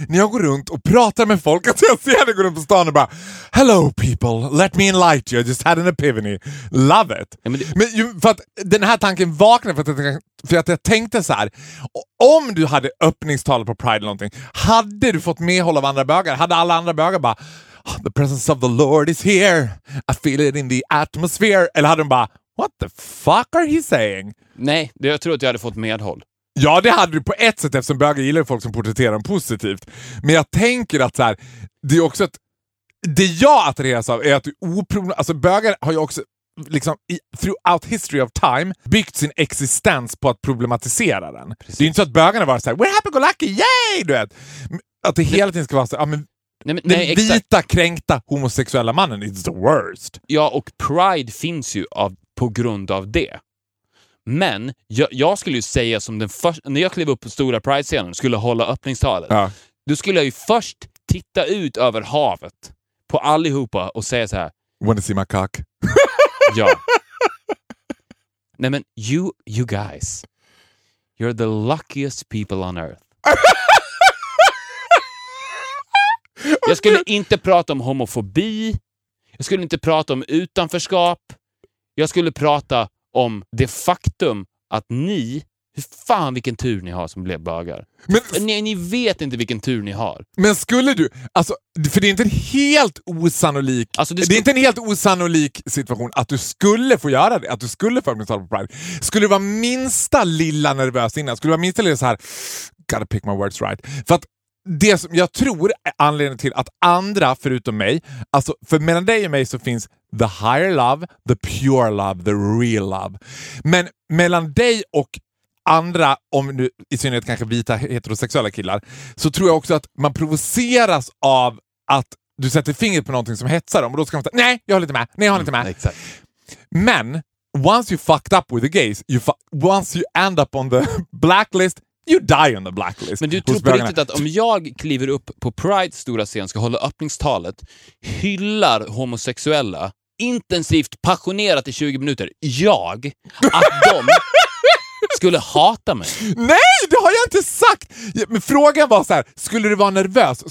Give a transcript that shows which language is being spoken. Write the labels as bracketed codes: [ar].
[sv] När jag går runt och pratar med folk. [en] Att jag ser dig gå runt på stan och bara, hello people, let me enlighten you. I just had an epiphany. Love it. [sv] Ja, men för att den här tanken vaknade för att jag tänkte så här. Om du hade öppningstalet på Pride eller någonting. Hade du fått medhåll av andra bögar? Hade alla andra bögar bara... [en] The presence of the Lord is here. I feel it in the atmosphere. Eller hade de bara, what the fuck are he saying? [sv] Nej, det jag tror att jag hade fått medhåll. Ja, det hade du på ett sätt, eftersom bögar gillar folk som porträtterar dem positivt. Men jag tänker att så här, det är också att det jag attraheras av är att alltså bögar har ju också liksom throughout history of time byggt sin existens på att problematisera den. Precis. Det är inte så att bögarna var så här, we're happy go lucky, yay, du vet. Att det hela tiden ska vara så här, ja men vita, kränkta, homosexuella mannen, it's the worst. Ja, och Pride finns ju på grund av det. Men jag skulle ju säga som den första, när jag klev upp på stora Pride-scenen skulle hålla öppningstalet, ja. Då skulle jag ju först titta ut över havet på allihopa och säga så här: [en] wanna see my cock? [sv] Ja. [en] Nej men, you guys, you're the luckiest people on earth. [sv] Jag skulle inte prata om homofobi. Jag skulle inte prata om utanförskap. Jag skulle prata om det faktum att ni... Hur fan vilken tur ni har som blev bögar. Ni vet inte vilken tur ni har. Men skulle du... Alltså, för det är inte en helt osannolik... Alltså det är inte en helt osannolik situation att du skulle få göra det. Att du skulle få öppningstal på Pride. Skulle du vara minsta lilla nervös innan? Skulle du vara minsta lilla så här... Gotta pick my words right. För att det som jag tror är anledningen till att andra förutom mig, alltså för mellan dig och mig så finns the higher love, the pure love, the real love. Men mellan dig och andra, om nu i synnerhet kanske vita heterosexuella killar, så tror jag också att man provoceras av att du sätter fingret på någonting som hetsar dem. Och då ska man säga, nej, jag har lite med. Nej, jag har lite med. Mm, exakt. [en] Men, once you fucked up with the gays, once you end up on the blacklist, you die on the blacklist. [sv] Men du tror på riktigt att om jag kliver upp på Pride stora scen, ska hålla öppningstalet, hyllar homosexuella intensivt, passionerat i 20 minuter, jag, att de skulle hata mig? Nej, det har jag inte sagt. Men frågan var så här, skulle du vara nervös?